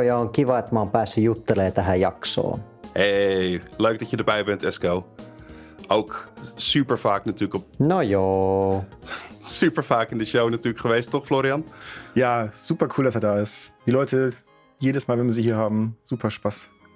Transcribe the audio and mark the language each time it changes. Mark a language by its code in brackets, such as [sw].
[fi] Ja, on kiva, että mä oon päässyt juttelemaan tähän jaksoon. [nl] Hey, leuk dat je erbij bent, Esko. Ook super vaak natuurlijk op... Nou joh. Super vaak in de show natuurlijk geweest, toch Florian? Ja, super cool dat hij daar is. [de] Die leute, jedes Mal wenn wir sie hier haben, super spaß.